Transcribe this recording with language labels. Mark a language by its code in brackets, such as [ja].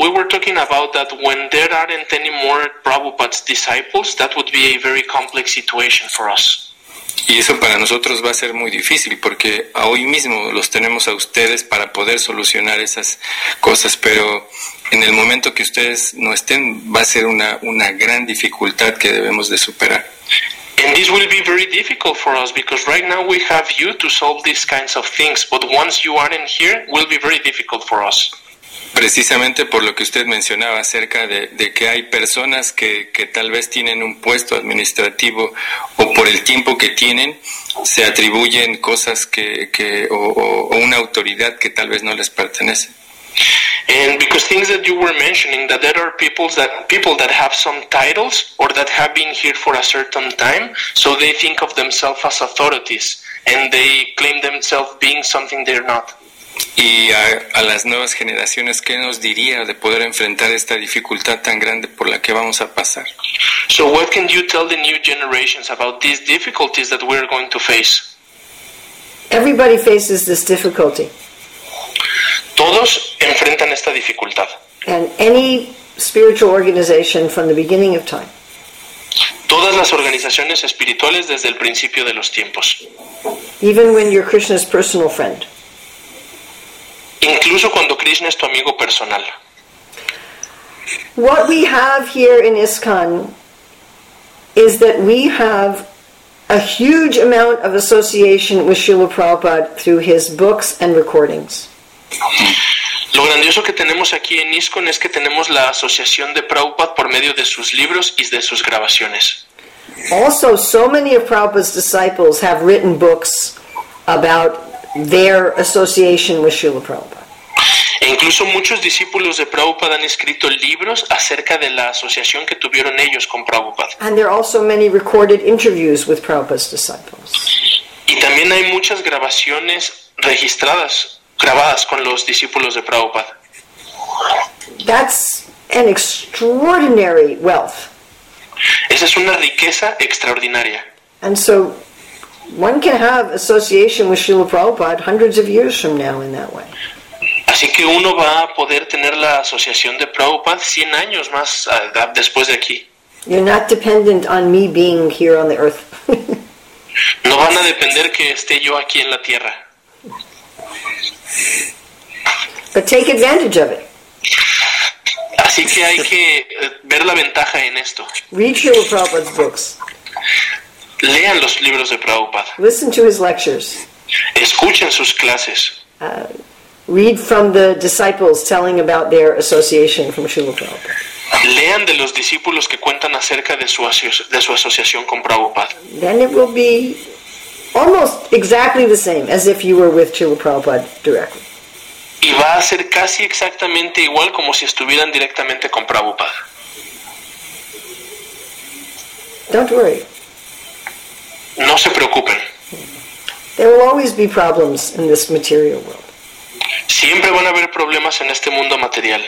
[en] We were talking about that when there aren't any more Prabhupada's disciples, that would be a very complex situation for us. [es] Y eso para nosotros va a ser muy difícil porque hoy mismo los tenemos a ustedes para poder solucionar esas cosas, pero en el momento que ustedes no estén va a ser una gran dificultad que debemos de superar. [en] And this will be very difficult for us because right now we have you to solve these kinds of things, but once you aren't here will be very difficult for us. [es] Precisamente por lo que usted mencionaba acerca de que hay personas que tal vez tienen un puesto administrativo o por el tiempo que tienen se atribuyen cosas que o una autoridad que tal vez no les pertenece. [en] And because things that you were mentioning, that there are people that have some titles or that have been here for a certain time, so they think of themselves as authorities and they claim themselves being something they're not. [es] Y a las nuevas generaciones, ¿qué nos diría de poder enfrentar esta dificultad tan grande por la que vamos a pasar? [en] So what can you tell the new generations about these difficulties that we're going to face? Everybody faces this difficulty. [es] Todos enfrentan esta dificultad. [en] And any spiritual organization from the beginning of time. [es] Todas las organizaciones espirituales desde el principio de los tiempos. [en] Even when you're Krishna's personal friend. [es] Incluso cuando Krishna es tu amigo personal. [en] What we have here in ISKCON is that we have a huge amount of association with Srila Prabhupada through his books and recordings. [es] Lo grandioso que tenemos aquí en ISKCON es que tenemos la asociación de Prabhupada por medio de sus libros y de sus grabaciones. [en] Also, so many of Prabhupada's disciples have written books about their association with Srila Prabhupada. [es] E incluso muchos discípulos de Prabhupada han escrito libros acerca de la asociación que tuvieron ellos con Prabhupada. [en] And there are also many recorded interviews with Prabhupada's disciples. [es] Y también hay muchas grabaciones registradas, grabadas con los discípulos de Prabhupada. [en] That's an extraordinary wealth. [es] Esa es una riqueza extraordinaria. [en] And so one can have association with Srila Prabhupada hundreds of years from now in that way. [es] Así que uno va a poder tener la asociación de Prabhupada 100 años más después de aquí. [en] You're not dependent on me being here on the earth. [es] No van a depender que esté yo aquí en la tierra. [en] But take advantage of it. [es] Así que hay que ver la ventaja en esto. [en] Read Srila Prabhupada's books. [es] Lean los libros de Prabhupada. [en] Listen to his lectures. [es] Escuchen sus clases. [en] Read from the disciples telling about their association from Srila Prabhupada. [es] Lean de los discípulos que cuentan acerca de su asociación con Prabhupada. [en] Then it will be almost exactly the same as if you were with Srila Prabhupada directly. [es] Y va a ser casi exactamente igual como si estuvieran directamente con Prabhupada. [en] Don't worry. [es] No se preocupen. [en] There will always be problems in this material world. [es] Siempre van a haber problemas en este mundo material.